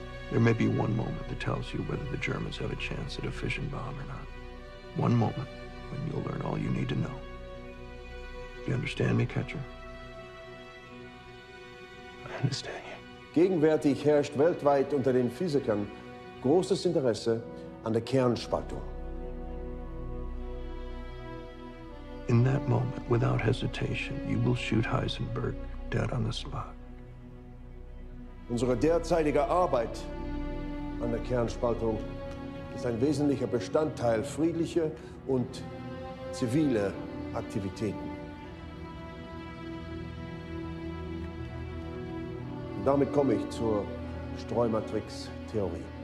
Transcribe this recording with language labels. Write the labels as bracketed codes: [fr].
[en] There may be one moment that tells you whether the Germans have a chance at a fission bomb or not. One moment when you'll learn all you need to know. You understand me, Catcher? I understand you. [de] Gegenwärtig herrscht weltweit unter den Physikern großes Interesse an der Kernspaltung. [en] In that moment, without hesitation, you will shoot Heisenberg dead on the spot. [de] Unsere derzeitige Arbeit an der Kernspaltung ist ein wesentlicher Bestandteil friedlicher und ziviler Aktivitäten. Und damit komme ich zur Streumatrix-Theorie.